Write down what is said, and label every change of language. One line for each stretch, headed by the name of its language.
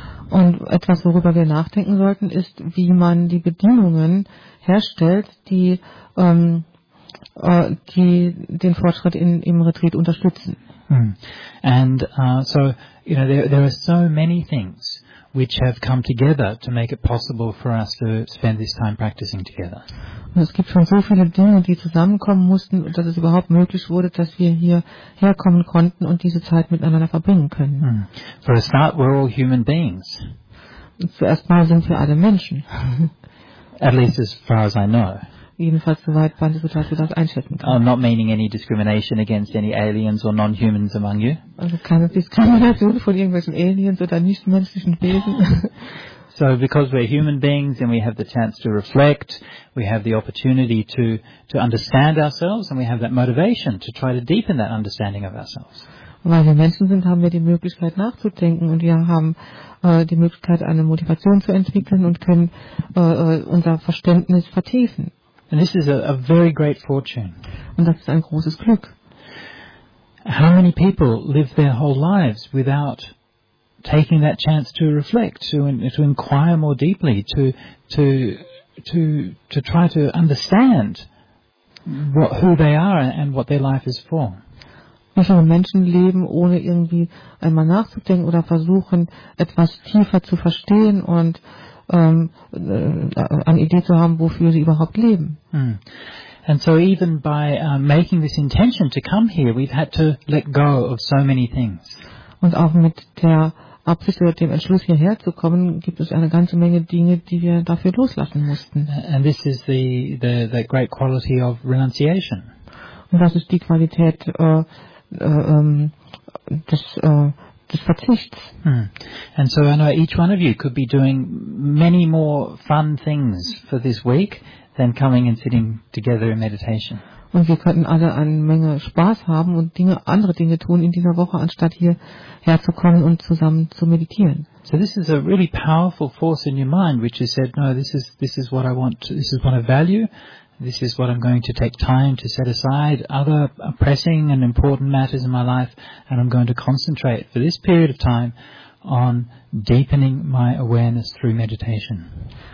German: Und etwas, worüber wir nachdenken sollten, ist, wie man die Bedingungen herstellt, die den Fortschritt im Retreat unterstützen.
English: There are so many things which have come together to make it possible for us to spend this time practicing together.
German: Und es gibt schon so viele Dinge, die zusammenkommen mussten, dass es überhaupt möglich wurde, dass wir hier herkommen konnten und diese Zeit miteinander verbringen können.
English: For a start, we're all human beings.
German: Zuerst mal sind wir alle Menschen.
English: At least as far as I know.
German: Jedenfalls soweit Bandhisattva das einschätzen kann.
English: I'm not meaning any discrimination against any aliens or non-humans among you.
German: Also keine Diskriminierung von irgendwelchen Aliens oder nichtmenschlichen Wesen.
English: So because we're human beings and we have the chance to reflect, we have the opportunity to understand ourselves and we have that motivation to try to deepen that understanding of ourselves.
German: Weil wir Menschen sind, haben wir die Möglichkeit nachzudenken und wir haben die Möglichkeit, eine Motivation zu entwickeln und können unser Verständnis vertiefen.
English: And this is a very great fortune.
German: Und das ist ein großes Glück.
English: How many people live their whole lives without taking that chance to reflect, to inquire more deeply, to try to understand who they are and what their life is for?
German: Wie viele Menschen leben, ohne irgendwie einmal nachzudenken oder versuchen, etwas tiefer zu verstehen und eine Idee zu haben, wofür sie überhaupt leben.
English: And so even by making this intention to come here, we've had to let go of so many things.
German: Und auch mit der abgeführt, dem Entschluss hierher zu kommen, gibt es eine ganze Menge Dinge, die wir dafür loslassen mussten.
English: And this is the great quality of renunciation.
German: Und das ist die Qualität des Verzichts. Hmm.
English: And so I know each one of you could be doing many more fun things for this week than coming and sitting together in meditation.
German: Und wir könnten alle eine Menge Spaß haben und Dinge, andere Dinge tun in dieser Woche, anstatt hier herzukommen und zusammen zu meditieren.
English: So this is a really powerful force in your mind, which has said, no, this is what I want, this is what I value, this is what I'm going to take time to set aside other pressing and important matters in my life, and I'm going to concentrate for this period of time on deepening my awareness through meditation.